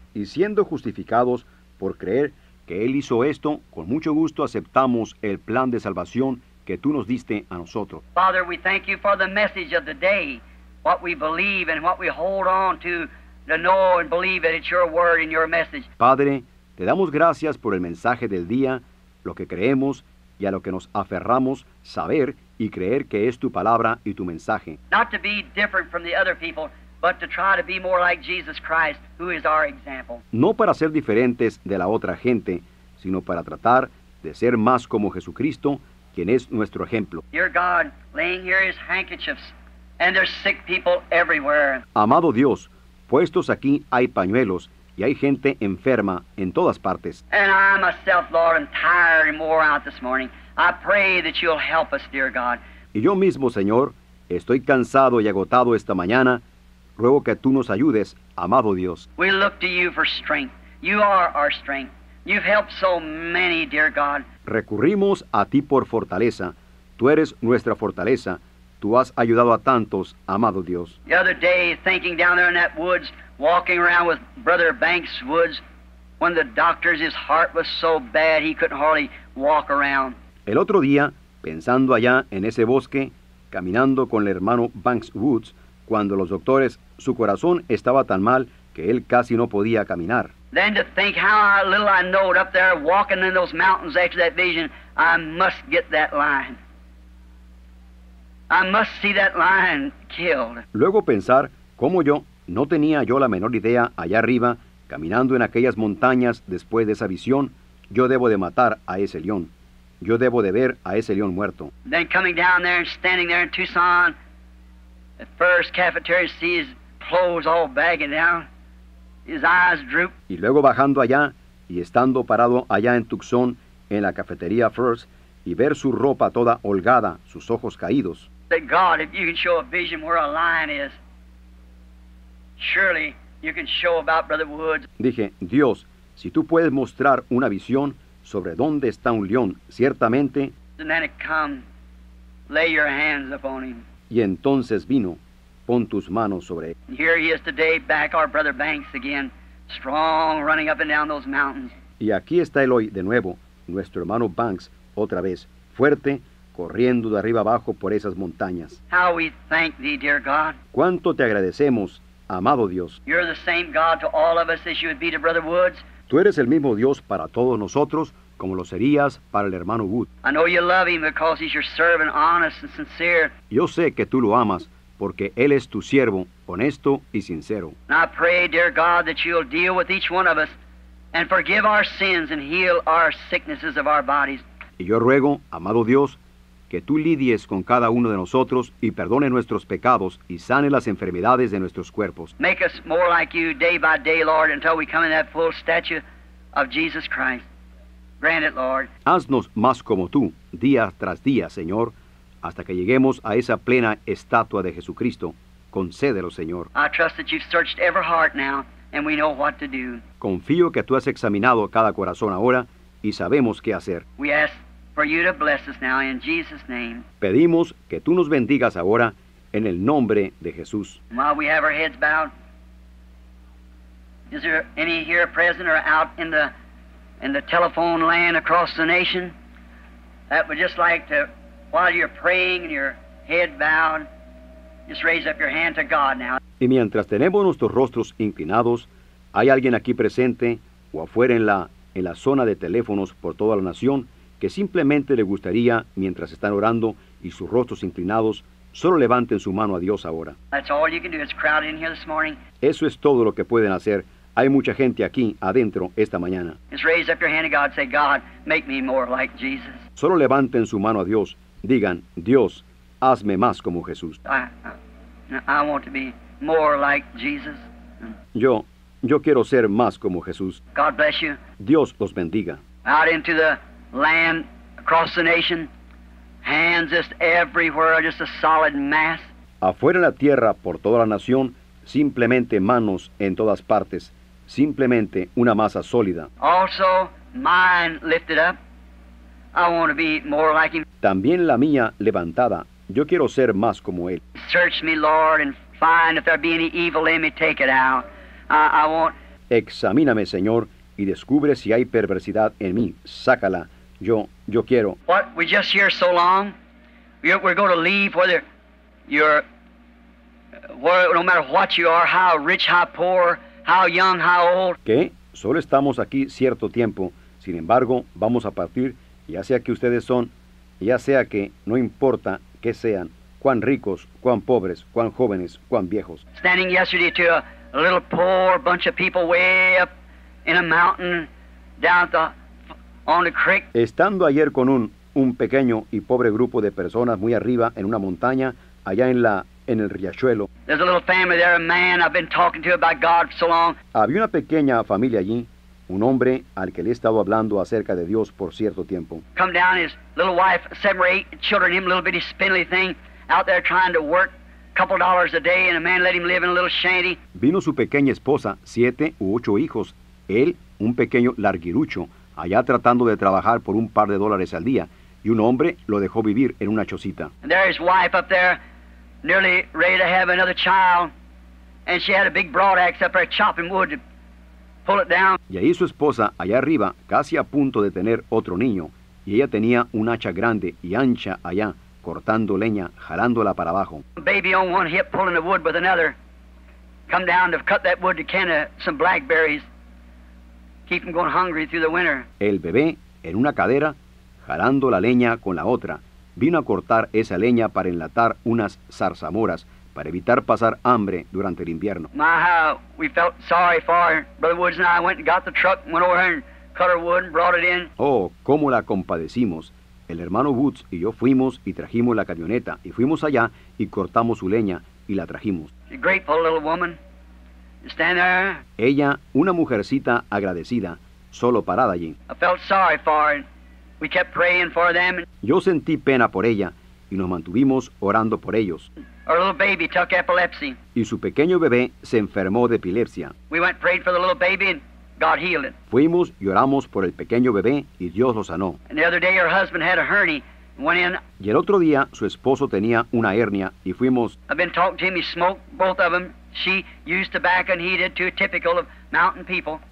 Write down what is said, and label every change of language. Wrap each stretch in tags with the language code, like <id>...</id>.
<es>Y siendo justificados por creer que él hizo esto, con mucho gusto aceptamos el plan de salvación que tú nos diste a nosotros.</es> <en>Father, we thank you for the message of the day, what we believe and what we hold on to know and believe that it's your word and your message.</en> <es>Padre, te damos gracias por el mensaje del día, lo que creemos y a lo que nos aferramos saber y creer que es tu palabra y tu mensaje.</es> <en>Not to be different from the other people, but to try to be more like Jesus Christ, who is our example.</en> <es>No para ser diferentes de la otra gente, sino para tratar de ser más como Jesucristo, quien es nuestro ejemplo.</es> <en>Dear God, laying here his handkerchiefs, and there's sick people everywhere.</en> <es>Amado Dios, puestos aquí hay pañuelos, y hay gente enferma en todas partes.</es> <en>And I myself, Lord, am tired and wore out this morning. I pray that you'll help us, dear God.</en> <es>Y yo mismo, Señor, estoy cansado y agotado esta mañana. Ruego que tú nos ayudes, amado Dios.</es> <en>We look to you for strength. You are our strength. You've helped so many, dear God.</en> <es>Recurrimos a ti por fortaleza. Tú eres nuestra fortaleza. Tú has ayudado a tantos, amado Dios.</es> <en>The other day, thinking down there in that woods, walking around with Brother Banks Woods, when the doctors, his heart was so bad he couldn't hardly walk around.</en> <es>El otro día, pensando allá en ese bosque, caminando con el hermano Banks Woods, cuando los doctores, su corazón estaba tan mal que él casi no podía caminar.</es> <en>Then to think how little I know up there walking in those mountains after that vision, I must get that lion. I must see that lion killed.</en> <es>Luego pensar cómo yo no tenía yo la menor idea allá arriba, caminando en aquellas montañas después de esa visión, yo debo de matar a ese león. Yo debo de ver a ese león muerto.</es> <en>Then coming down there and standing there in Tucson, the first cafeteria sees clothes all bagging down, his eyes droop.</en> <es>Y luego bajando allá y estando parado allá en Tucson, en la cafetería First, y ver su ropa toda holgada, sus ojos caídos.</es> <en>Say, God, if you can show a vision where a lion is, surely you can show about Brother Woods.</en> <es>Dije, Dios, si tú puedes mostrar una visión sobre dónde está un león, ciertamente.</es> <en>And then it come, lay your hands upon him.</en> <es>Y entonces vino, pon tus manos sobre él.</es> <en>And here he is today, back our Brother Banks again, strong, running up and down those mountains.</en> <es>Y aquí está él hoy de nuevo, nuestro hermano Banks, otra vez, fuerte, corriendo de arriba abajo por esas montañas.</es> <en>How we thank thee, dear God.</en> <es>¿Cuánto te agradecemos, amado Dios?</es> <en>You're the same God to all of us as you would be to Brother Woods.</en> <es>Tú eres el mismo Dios para todos nosotros, como lo serías para el hermano Wood.</es> <en>I know you love him because he's your servant, honest and sincere.</en> <es>Yo sé que tú lo amas, porque él es tu siervo, honesto y sincero.</es> <en>And I pray, dear God, that you'll deal with each one of us and forgive our sins and heal our sicknesses of our bodies.</en> <es>Y yo ruego, amado Dios, que tú lidies con cada uno de nosotros y perdone nuestros pecados y sane las enfermedades de nuestros cuerpos.</es> <en>Make us more like you day by day, Lord, until we come in that full stature of Jesus Christ. Grant it, Lord.</en> <es>Haznos más como tú, día tras día, Señor, hasta que lleguemos a esa plena estatua de Jesucristo. Concédelo, Señor.</es> <en>I trust that you've searched every heart now, and we know what to do.</en> <es>Confío que tú has examinado cada corazón ahora, y sabemos qué hacer.</es> <en>We ask for you to bless us now in Jesus' name.</en> <es>Pedimos que tú nos bendigas ahora en el nombre de Jesús.</es> <en>While we have our heads bowed, is there any here present or out in the telephone land across the nation that would just like to, while you're praying and your head bowed, just raise up your hand to God now?</en> <es>Y mientras tenemos nuestros rostros inclinados, ¿hay alguien aquí presente o afuera en la zona de teléfonos por toda la nación que simplemente le gustaría, mientras están orando y sus rostros inclinados, solo levanten su mano a Dios ahora?</es> <en>That's all you can do. It's crowded in here this morning.</en> <es>Eso es todo lo que pueden hacer. Hay mucha gente aquí adentro esta mañana.</es> <en>Just raise up your hand to God, say, God, make me more like Jesus.</en> <es>Solo levanten su mano a Dios. Digan, Dios, hazme más como Jesús.</es> <en>I want to be more like Jesus.</en> <es>Yo quiero ser más como Jesús.</es> <en>God bless you.</en> <es>Dios los bendiga.</es> <en>Out into the land, across the nation, hands just everywhere, just a solid mass.</en> <es>Afuera en la tierra, por toda la nación, simplemente manos en todas partes, simplemente una masa sólida.</es> <en>Also, mine lifted up. I want to be more like him.</en> <es>También la mía levantada. Yo quiero ser más como él.</es> <en>Search me, Lord, and find if there be any evil in me, take it out.</en> <es>Examíname, Señor, y descubre si hay perversidad en mí. Sácala. Yo quiero.</es> <en>What we just hear so long, we're going to leave whether you're, no matter what you are, how rich, how poor, how young, how old.</en> <es>¿Qué? Solo estamos aquí cierto tiempo. Sin embargo, vamos a partir, ya sea que ustedes son, ya sea que no importa qué sean, cuán ricos, cuán pobres, cuán jóvenes, cuán viejos.</es> <en>Standing yesterday to a little poor bunch of people way up in a mountain down on the creek.</en> <es>Estando ayer con un pequeño y pobre grupo de personas muy arriba en una montaña allá en el riachuelo.</es> <en>There's a little family there, a man I've been talking to about God for so long.</en> <es>Había una pequeña familia allí, un hombre al que le he estado hablando acerca de Dios por cierto tiempo.</es> <en>Come down, his little wife, 7 or 8 children, him little bitty spindly thing out there trying to work couple dollars a day, and a man let him live in a little shanty.</en> <es>Vino su pequeña esposa, 7 u 8 hijos, él, un pequeño larguirucho, allá tratando de trabajar por un par de dólares al día, y un hombre lo dejó vivir en una chocita.</es> <en>And there his wife up there, nearly ready to have another child, and she had a big broad axe up there chopping wood to pull it down.</en> <es>Y ahí su esposa, allá arriba, casi a punto de tener otro niño, y ella tenía un hacha grande y ancha allá, cortando leña, jalándola para abajo.</es> <en>Baby on one hip pulling the wood with another. Come down to cut that wood to can of some blackberries. Keep him going hungry through the winter.</en> <es>El bebé en una cadera, jalando la leña con la otra, vino a cortar esa leña para enlatar unas zarzamoras para evitar pasar hambre durante el invierno.</es> <en>My, how we felt sorry for her. Brother Woods and I went and got the truck and went over here and cut her wood and brought it in.</en> <es>Oh, cómo la compadecimos. El hermano Woods y yo fuimos y trajimos la camioneta y fuimos allá y cortamos su leña y la trajimos.</es> <en>A grateful little woman. Stand there.</en> <es>Ella, una mujercita agradecida, solo parada allí.</es> <en>I felt sorry for her. We kept praying for them.</en> <es>Yo sentí pena por ella y nos mantuvimos orando por ellos.</es> <en>Our little baby took epilepsy.</en> <es>Y su pequeño bebé se enfermó de epilepsia.</es> <en>We went praying for the little baby and God healed it.</en> <es>Fuimos y oramos por el pequeño bebé y Dios lo sanó.</es> <en>And the other day her husband had a hernia and went in.</en> <es>Y el otro día su esposo tenía una hernia y fuimos.</es> <en>I've been talking to him, he smoked both of them. She used tobacco and he did too, typical of mountain people.</en>